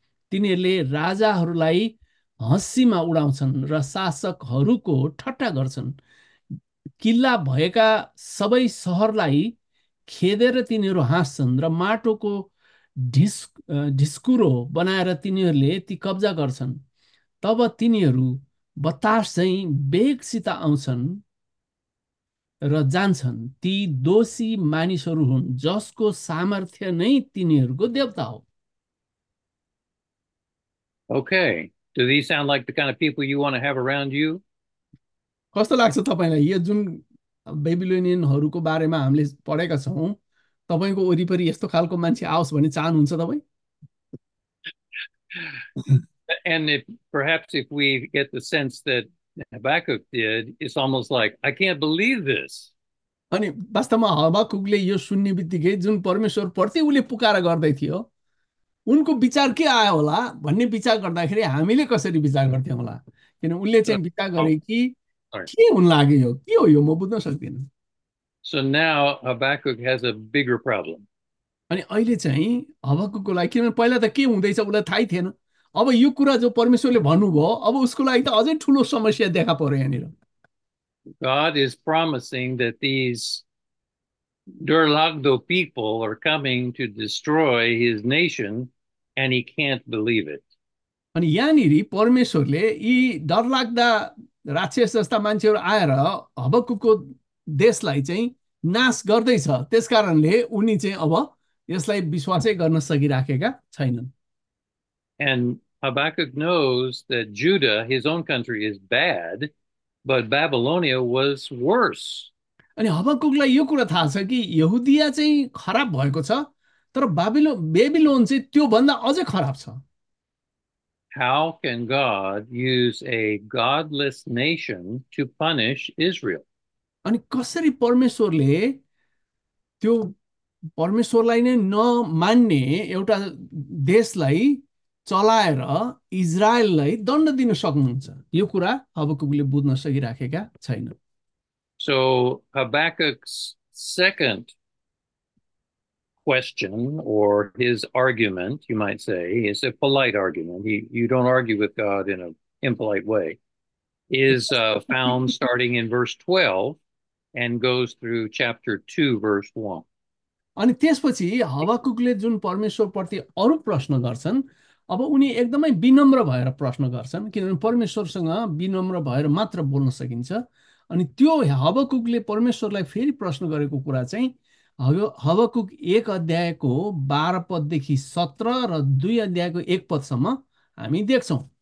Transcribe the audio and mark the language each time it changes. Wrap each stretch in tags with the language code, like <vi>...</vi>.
<ne>तिनीहरूले राजाहरूलाई हँसीमा उडाउँछन् र शासकहरूको ठट्टा गर्छन्, किल्ला भएका सबै सहरलाई खेदेर तिनीहरू हाँस्छन् र माटोको ढिस्कुरो बनाएर तिनीहरूले ती कब्जा गर्छन्। तब तिनीहरू बतास झैँ वेगसित आउँछन् र जान्छन्, ती दोषी मानिसहरू हुन् जसको सामर्थ्य नै तिनीहरूको देवता हो।</ne> <en>Okay. Do these sound like the kind of people you want to have around you?</en> <ne>कस्तो लाग्छ तपाईँलाई यो जुन बेबिलोनियनहरूको बारेमा हामीले पढेका छौँ, तपाईँको वरिपरि यस्तो खालको मान्छे आओस् भन्ने चाहनुहुन्छ तपाईँ?</ne> <en>And if perhaps if we get the sense that Habakkuk did, it's almost like, I can't believe this.</en> <ne>अनि वास्तवमा हबक्कुकले यो सुन्ने बित्तिकै जुन परमेश्वर प्रति उसले पुकार गर्दै थियो उनको विचार के आयो होला भन्ने विचार गर्दाखेरि हामीले कसरी विचार गर्थ्यौँ होला? किन उसले चाहिँ विचार गरे कि के हुन लाग्यो, यो के हो, यो म बुझ्न सक्दिनँ।</ne> <en>So now Habakkuk has a bigger problem.</en> <ne>अनि अहिले चाहिँ हबक्कुकको लागि, किनभने पहिला त के हुँदैछ उसलाई थाहै थिएन, अब यो कुरा जो परमेश्वरले भन्नुभयो अब उसको लागि त अझै ठुलो समस्या देखा पऱ्यो यहाँनिर।</ne> <en>God is promising that these Durlagdo people are coming to destroy his nation, and he can't believe it.</en> <ne>अनि यहाँनिर परमेश्वरले यी डरलाग्दा राक्षस जस्ता मान्छेहरू आएर हबक्कुकको देशलाई चाहिँ नाश गर्दैछ, त्यस कारणले उनी चाहिँ अब यसलाई विश्वासै गर्न सकिराखेका छैनन्।</ne> <en>And Habakkuk knows that Judah, his own country, is bad, but Babylonia was worse.</en> <ne>अनि हबक्कुकलाई यो कुरा थाहा छ कि यहुदिया चाहिँ खराब भएको छ तर बेबिलोन चाहिँ त्योभन्दा अझै खराब छ।</ne> <en>How can God use a godless nation to punish Israel?</en> <ne>अनि कसरी परमेश्वरले त्यो परमेश्वरलाई नै नमान्ने एउटा देशलाई चलाएर इजरायललाई दण्ड दिन सक्नुहुन्छ? यो कुरा हबक्कुकले बुझ्न सकिराखेका छैन।</ne> <en>So Habakkuk's second question, or his argument, you might say, is a polite argument. You don't argue with God in an impolite way, is found starting in verse 12 and goes through chapter 2, verse 1.</en> <ne>अनि त्यसपछि हबक्कुकले जुन परमेश्वरप्रति अरू प्रश्न गर्छन्, अब उनी एकदमै विनम्र भएर प्रश्न गर्छन्, किनभने परमेश्वरसँग विनम्र भएर मात्र बोल्न सकिन्छ। अनि त्यो हबक्कुकले परमेश्वरलाई फेरि प्रश्न गरेको कुरा चाहिँ हबक्कुक 1 अध्यायको 12 पददेखि 17 र 2 अध्यायको 1 पदसम्म हामी देख्छौँ।</ne>